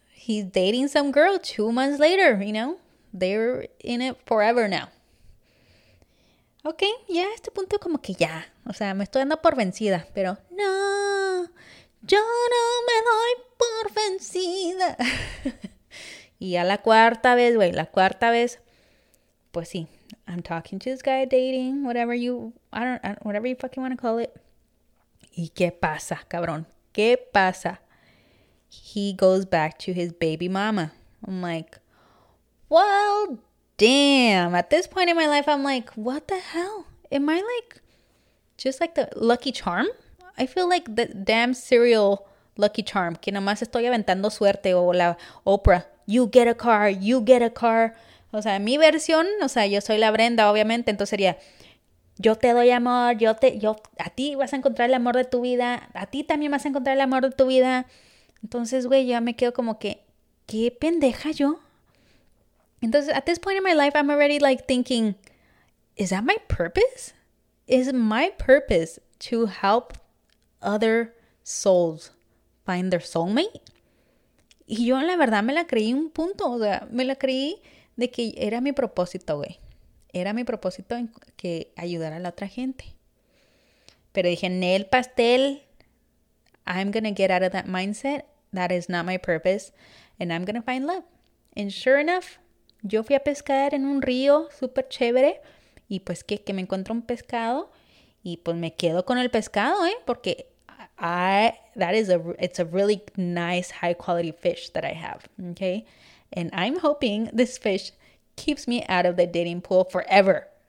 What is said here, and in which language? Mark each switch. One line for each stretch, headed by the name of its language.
English: He's dating some girl 2 months later, you know? They're in it forever now.
Spanish: Okay, ya a este punto como que ya. O sea, me estoy dando por vencida. Pero no, yo no me doy por vencida. Y ya la cuarta vez, güey, la cuarta vez. Pues sí,
English: I'm talking to this guy, dating, whatever you, I don't, whatever you fucking want to call it.
Spanish: ¿Y qué pasa, cabrón? ¿Qué pasa?
English: He goes back to his baby mama. I'm like, well, damn. At this point in my life, I'm like, what the hell? Am I like, just like the Lucky Charm? I feel like the damn serial Lucky Charm.
Spanish: Que nomás estoy aventando suerte.
English: O la Oprah, you get a car, you get a car.
Spanish: O sea, mi versión, o sea, yo soy la Brenda, obviamente. Entonces sería, yo te doy amor, yo a ti vas a encontrar el amor de tu vida. A ti también vas a encontrar el amor de tu vida. Entonces, güey, ya me quedo como que, ¿qué pendeja yo? Entonces,
English: at this point in my life, I'm already like thinking, is that my purpose? Is my purpose to help other souls find their soulmate?
Spanish: Y yo, la verdad, me la creí un punto. O sea, me la creí de que era mi propósito, güey. Era mi propósito en que ayudara a la otra gente. Pero dije, en el pastel,
English: I'm gonna get out of that mindset. That is not my purpose. And I'm gonna find love. And sure enough,
Spanish: yo fui a pescar en un río súper chévere. Y pues que me encuentro un pescado. Y pues me quedo con el pescado, ¿eh? Porque
English: it's a really nice, high quality fish that I have. Okay. And I'm hoping this fish keeps me out of the dating pool forever.